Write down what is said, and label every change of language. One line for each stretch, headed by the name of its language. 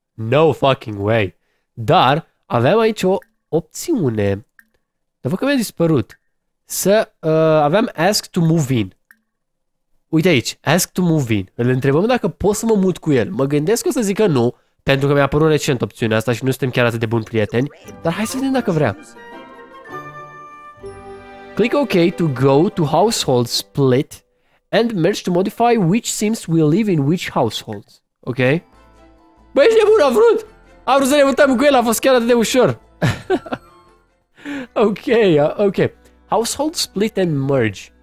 English: No fucking way.
Romanian: Dar, aveam aici o opțiune. Dar văd că mi-a dispărut. Să, aveam
English: ask to move in.
Romanian: Uite aici,
English: ask to move in.
Romanian: Îl întrebăm dacă pot să mă mut cu el. Mă gândesc că o să zică nu, pentru că mi-a apărut recent opțiunea asta și nu suntem chiar atât de buni prieteni. Dar hai să vedem dacă vrea.
English: Click OK to go to household split and merge to modify which Sims will live in which households.
Romanian: Ok? Băi, ești nebun, a vrut! A vrut să ne mutăm cu el, a fost chiar atât de ușor. Ok, ok.
English: Household split and merge.